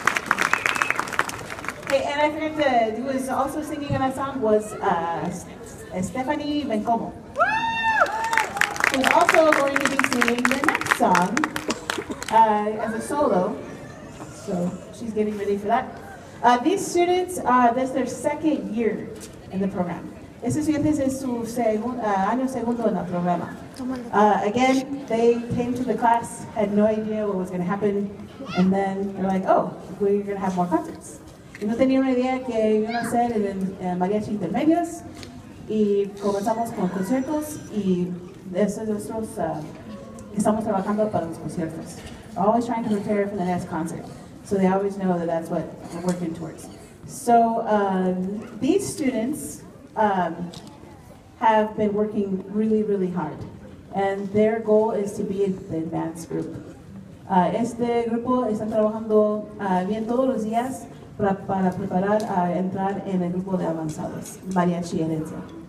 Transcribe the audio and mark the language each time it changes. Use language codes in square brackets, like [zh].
[en] I forgot to, who was also singing on that song was Stephanie Bencomo. Who's also going to be singing the next song as a solo. So she's getting ready for that. These students, this is their second year in the program. [es] Este estudiante es su año segundo en el programa. [en] Again, they came to the class, had no idea what was going to happen, and then they're like, oh, we're going to have more concerts. [es] Y no tenía una idea que iban a hacer en mariachi intermedios, y comenzamos con conciertos, y eso es nosotros estamos trabajando para los conciertos. [en] Always trying to prepare for the next concert. So they always know that that's what we're working towards. So these students have been working really, really hard. And their goal is to be in the advanced group. [es] Este grupo está trabajando bien todos los días para preparar a entrar en el grupo de avanzados, mariachi herencia.